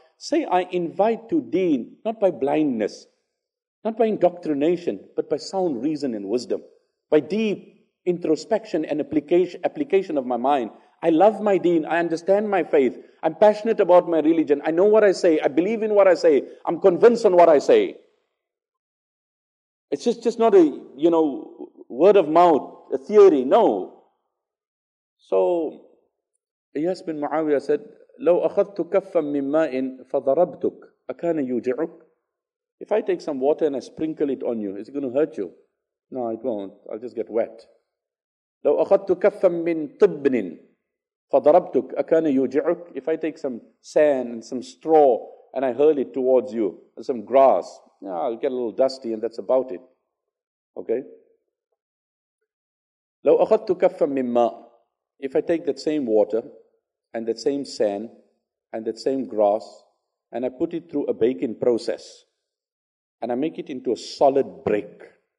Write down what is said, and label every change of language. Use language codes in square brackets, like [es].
[en] Say, I invite to deen, not by blindness, not by indoctrination, but by sound reason and wisdom, by deep introspection and application of my mind. I love my deen. I understand my faith. I'm passionate about my religion. I know what I say. I believe in what I say. I'm convinced on what I say. It's just not a, you know, word of mouth, a theory, no. So, Iyas bin Muawiyah said, [ar] لو أخذت كفا من ماء فضربتك أكان يوجعك. [en] If I take some water and I sprinkle it on you, is it going to hurt you? No, it won't. I'll just get wet. [ar] لو أخذت كفا من طبن فضربتك أكان يوجعك. [en] If I take some sand and some straw and I hurl it towards you, and some grass, yeah, I'll get a little dusty and that's about it. Okay? [ar] لو أخذت كفا من ماء. [en] If I take that same water and that same sand and that same grass and I put it through a baking process and I make it into a solid brick,